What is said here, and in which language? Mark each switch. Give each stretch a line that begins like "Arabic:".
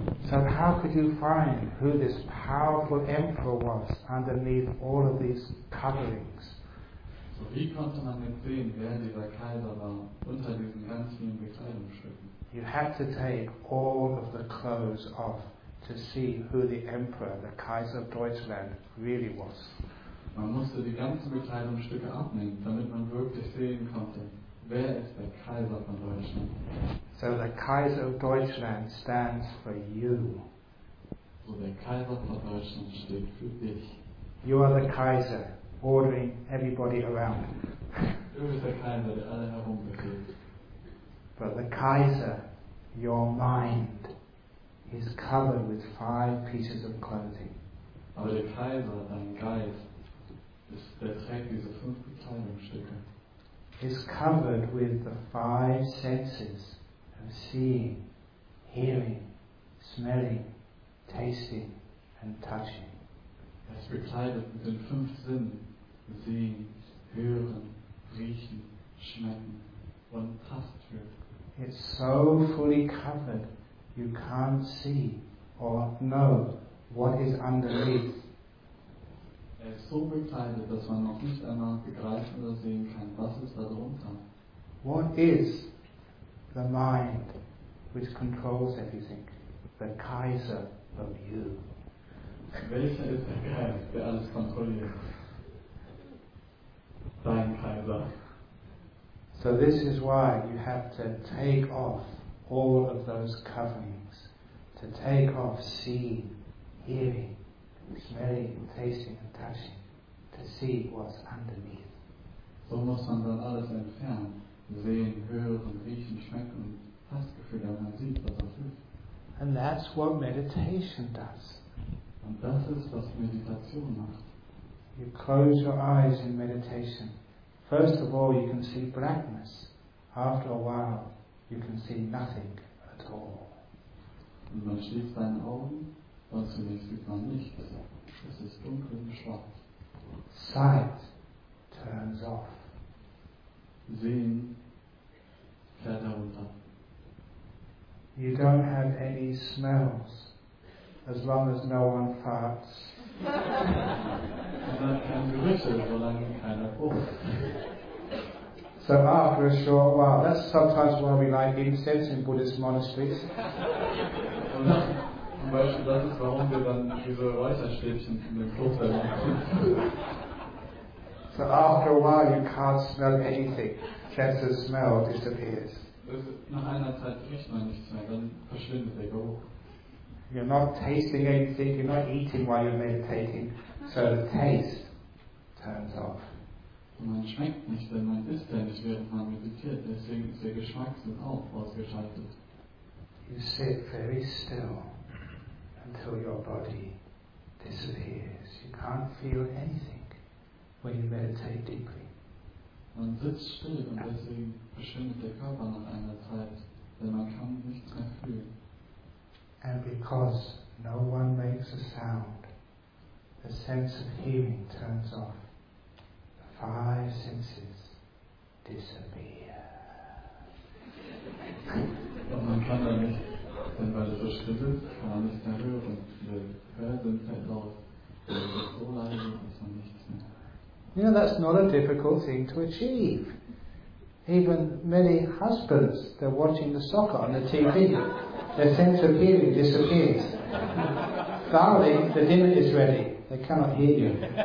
English: So how could you find who this powerful emperor was underneath all of these coverings?
German: So wie konnte man denn sehen, wer dieser Kaiser war unter diesen ganzen Bekleidungsstücken?
English: You had to take all of the clothes off to see who the emperor, the Kaiser of Deutschland, really was.
German: Man musste die ganzen Bekleidungsstücke abnehmen, damit man wirklich sehen konnte. Wer ist der Kaiser von Deutschland?
English: So the Kaiser of Deutschland stands for you.
German: So der Kaiser von Deutschland steht für dich.
English: You are the Kaiser, ordering everybody around.
German: Du bist der Kaiser, der alle herum befehlt.
English: But the Kaiser, your mind, is covered with five pieces of clothing.
German: Aber der Kaiser, dein Geist, der trägt diese fünf Kleidungsstücke.
English: Is covered with the five senses of seeing, hearing, smelling, tasting, and touching.
German: Es bekleidet mit den fünf Sinnen, sehen, hören, riechen, schmecken, und tasten.
English: It's so fully covered, you can't see or know what is underneath.
German: Er ist so bekleidet, dass man noch nicht einmal begreifen oder sehen kann, was ist da drunter.
English: What is the mind which controls everything? The Kaiser of you.
German: Welcher ist der Geist, der alles kontrolliert? Dein Kaiser.
English: So this is why you have to take off all of those coverings. To take off seeing, hearing, smelling, tasting, and touching, to see what's underneath.
German: So muss man dann alles entfernen, sehen, hören, riechen, schmecken, und das Gefühl, dass man sieht, was das ist.
English: And that's what meditation does.
German: Und das ist, was Meditation macht.
English: You close your eyes in meditation. First of all, you can see blackness. After a while, you can see nothing at all.
German: Und man schließt seine Augen. Und zunächst sieht man nichts. Es ist dunkel und schwarz.
English: Sight turns off.
German: Sehen fährt darunter.
English: You don't have any smells, as long as no one farts.
German: Und dann kann Gerüche, solange keiner pufft.
English: So after a short while, that's sometimes why we like incense in Buddhist monasteries.
German: Zum Beispiel, das ist, warum wir dann diese Räucherstäbchen in den Kloster machen.
English: So after a while you can't smell anything, since the smell disappears.
German: Nach einer Zeit riecht man nichts mehr, dann verschwindet der Geruch.
English: You're not tasting anything, you're not eating while you're meditating, so the taste turns off.
German: Und man schmeckt nicht, denn man isst ja nicht, während man meditiert, deswegen ist der Geschmackssinn auch ausgeschaltet.
English: You sit very still. until your body disappears. You can't feel anything when you meditate deeply.
German: Man sitzt still und deswegen verschwindet der Körper nach einer Zeit, denn man kann nichts mehr fühlen.
English: And because no one makes a sound, the sense of hearing turns off. The five senses disappear.
German: Und man kann da nicht, denn weil es verschwindet, kann man nicht mehr hören. Die Hörsinn fällt auf. Es ist so leise, dass man nichts mehr.
English: You know, that's not a difficult thing to achieve. Even many husbands, they're watching the soccer on the TV, their sense of hearing disappears. Darling, the dinner is ready. They cannot hear you.